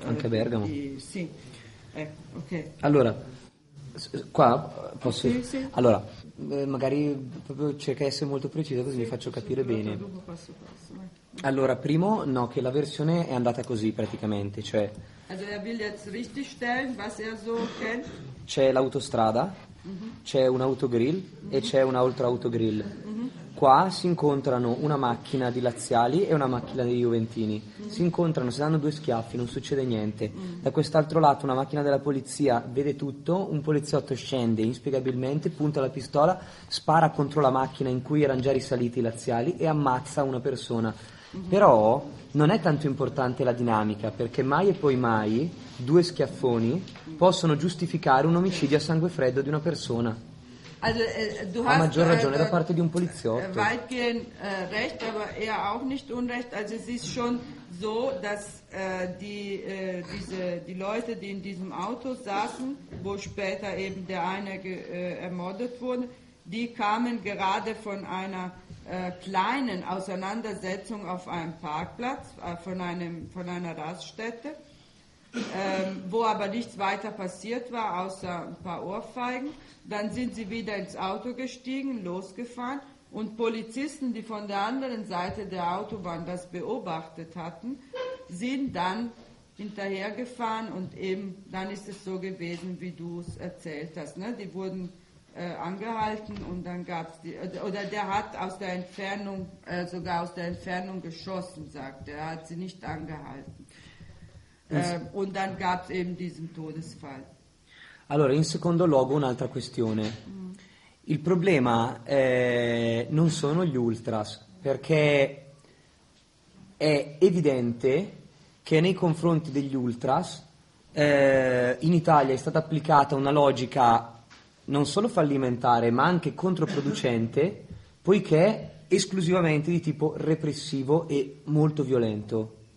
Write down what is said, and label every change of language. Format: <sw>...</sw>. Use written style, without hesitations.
<it>Anche Bergamo. Sì. Okay. Allora, qua posso. Sì, sì. Allora, magari proprio cerca di essere molto precisa, così vi faccio capire bene. Allora, primo, no, che la versione è andata così praticamente, cioè.</it> <de>Also, er will jetzt richtig stellen, was er so kennt.</de> <it>C'è l'autostrada, c'è un autogrill e c'è un altro autogrill. Qua si incontrano una macchina di laziali e una macchina di juventini. Si incontrano, si danno due schiaffi, non succede niente. Da quest'altro lato una macchina della polizia vede tutto, un poliziotto scende inspiegabilmente, punta la pistola, spara contro la macchina in cui erano già risaliti i laziali e ammazza una persona. Però non è tanto importante la dinamica, perché mai e poi mai due schiaffoni possono giustificare un omicidio a sangue freddo di una persona.</it> <de>Also,</de> <it>ha maggior ragione da parte di un poliziotto.</it> <de>Weitgehend recht, aber eher auch nicht unrecht. Also es ist schon so, dass die Leute, die in diesem Auto saßen, wo später eben der eine ermordet wurde, die kamen gerade von einer kleinen Auseinandersetzung auf einem Parkplatz, von einer Raststätte, wo aber nichts weiter passiert war, außer ein paar Ohrfeigen. Dann sind sie wieder ins Auto gestiegen, losgefahren, und Polizisten, die von der anderen Seite der Autobahn das beobachtet hatten, sind dann hinterhergefahren, und eben dann ist es so gewesen, wie du es erzählt hast. Ne? Die wurden angehalten und dann gab es die, oder der hat aus der Entfernung, sogar aus der Entfernung geschossen, sagt er, hat sie nicht angehalten. Und dann gab es eben diesen Todesfall.</de> <it>Allora, in secondo luogo, un'altra questione. Il problema non sono gli ultras, perché è evidente che nei confronti degli ultras in Italia è stata applicata una logica non solo fallimentare, ma anche controproducente, poiché esclusivamente di tipo repressivo e molto violento.</it>